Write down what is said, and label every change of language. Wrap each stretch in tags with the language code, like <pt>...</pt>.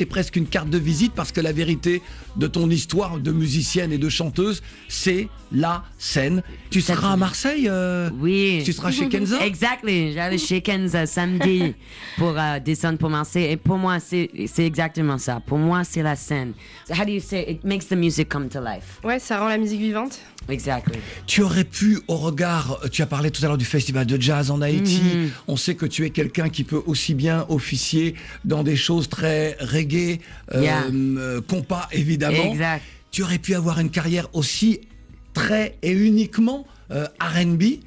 <fr>C'est presque une carte de visite, parce que la vérité de ton histoire de musicienne et de chanteuse, c'est la scène. Tu seras à Marseille Oui. Tu seras chez Kenza.</fr> <en>Exactly.</en> <fr>J'allais chez Kenza samedi pour descendre pour Marseille. Et pour moi, c'est exactement ça. Pour moi, c'est la scène.</fr> <en>How do you say it makes the music come to life?</en> <fr>Ouais, ça rend la musique vivante.</fr> <en>Exactly.</en> <fr>Tu aurais pu, au regard, tu as parlé tout à l'heure du festival de jazz en Haïti. Mm-hmm. On sait que tu es quelqu'un qui peut aussi bien officier dans des choses très reggae, compas, évidemment. Exact. Tu aurais pu avoir une carrière aussi très et uniquement R&B.</fr>